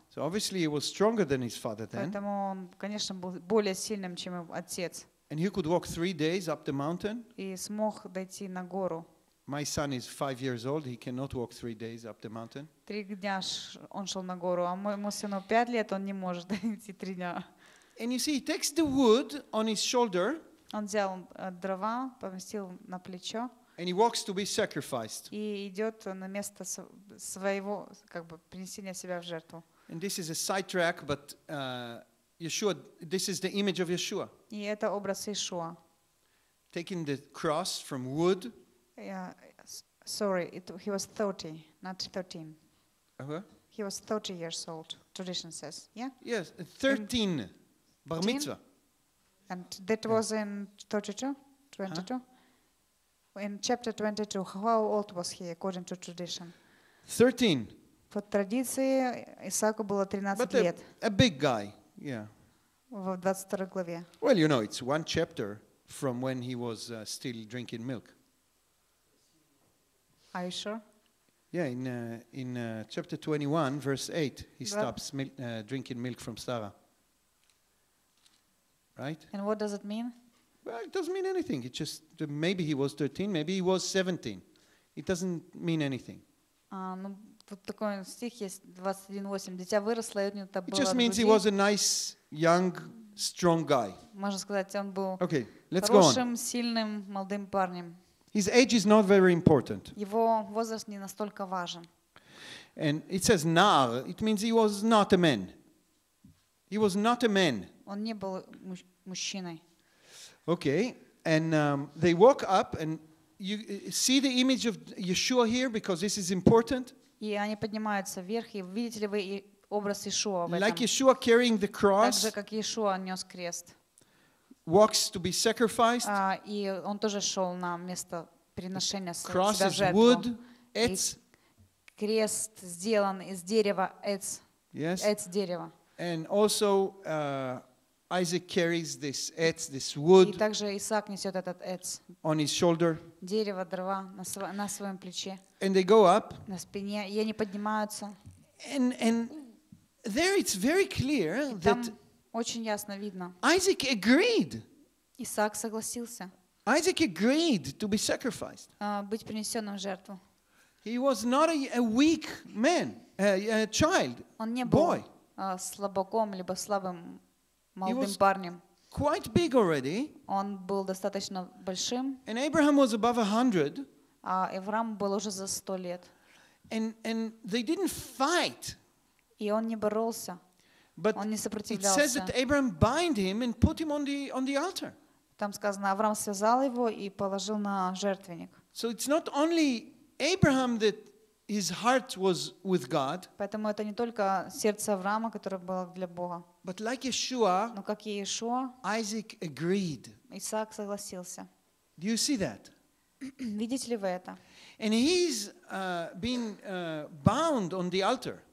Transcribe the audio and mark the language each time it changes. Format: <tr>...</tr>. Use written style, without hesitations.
<en>So obviously he was stronger than his father then.</en> <ru>Поэтому он, конечно, был более сильным, чем его отец.</ru> <en>And he could walk 3 days up the mountain.</en> <ru>И смог дойти на гору.</ru> <en>My son is 5 years old. He cannot walk 3 days up the mountain.</en> <ru>3 дня он шел на гору, а моему сыну 5 лет, он не может идти 3 дня.</ru> <en>And you see, he takes the wood on his shoulder.</en> <ru>Он взял дрова, поместил на плечо.</ru> <en>And he walks to be sacrificed.</en> <ru>И идет на место своего, как бы принесения себя в жертву.</ru> <en>And this is a sidetrack, but Yeshua. This is the image of Yeshua.</en> <ru>И это образ Иешуа.</ru> <en>Taking the cross from wood. Sorry, he was 30, not 13. He was 30 years old, tradition says. Yeah? Yes, 13. Bar mitzvah. And that was in 32? 22? Huh? In chapter 22, how old was he according to tradition? 13.</en> <ru>По традиции Исааку было 13 лет.</ru> <en>A big guy, yeah.</en> <ru>В 22 главе.</ru> <en>Well, you know, it's one chapter. from when he was still drinking milk. Are you sure? Yeah, in chapter 21, verse 8, he stops drinking milk from Sarah. Right? And what does it mean? Well, it doesn't mean anything. It just, maybe he was 13, maybe he was 17. It doesn't mean anything.</en> <ru>Тут такой стих есть, 21.8. Дитя выросло, и у него было.</ru> <en>It just means he was a nice, young, strong guy.</en> <ru>Можно сказать, он был</ru> <en>okay, let's</en> <ru>хорошим,</ru> <en>go on.</en> <ru>Сильным, молодым парнем.</ru> <en>His age is not very important.</en> <ru>Его возраст не настолько важен.</ru> <en>And it says nar, it means he was not a man. He was not a man.</en> <ru>Он не был мужчиной.</ru> <en>Okay, and they walk up, and you see the image of Yeshua here, because this is important.</en> <ru>И они поднимаются вверх, и видите ли вы образ Иешуа в этом?</ru> <en>Like Yeshua carrying the cross.</en> <ru>Так же, как Иешуа нес крест.</ru> <en>Walks to be sacrificed.</en> <ru>И он тоже шел на место приношения себя жертву.</ru> <en>Cross is wood.</en> <ru>Etz. Крест сделан из дерева. Etz.</ru> <en>Yes.</en> <ru>Etz дерево.</ru> <en>And also Isaac carries this etz, this wood.</en> <ru>И также Исаак несет этот etz.</ru> <en>On his shoulder.</en> <ru>Дерево, дрова на своем плече.</ru> <en>And they go up.</en> <ru>На спине, и они поднимаются.</ru> <en>And there it's very clear that.</en> <ru>Очень ясно видно.</ru> <en>Isaac agreed.</en> <ru>Исаак согласился.</ru> <en>Isaac agreed to be sacrificed.</en> <ru>Быть принесенным в жертву.</ru> <en>He was not a weak man, a child,</en> <ru>он не</ru> <en>boy.</en> <ru>Был слабаком либо слабым молодым парнем.</ru> <en>Quite big already.</en> <ru>Он был достаточно большим.</ru> <en>And Abraham was above 100.</en> <ru>А Авраам был уже за 100 лет.</ru> <en>And they didn't fight.</en> <ru>И он не боролся.</ru> <en>But it says that Abraham bind him and put him on the altar.</en> <ru>Там сказано, Авраам связал его и положил на жертвенник.</ru> <en>So it's not only Abraham that his heart was with God.</en> <ru>Поэтому это не только сердце Авраама, которое было для Бога.</ru> <en>But like Yeshua,</en> <ru>но как и Иешуа,</ru> <en>Isaac agreed.</en> <ru>Исаак согласился.</ru> <en>Do you see that?</en> <ru>Видите ли вы это?</ru> <en>And he's been bound on the altar.</en>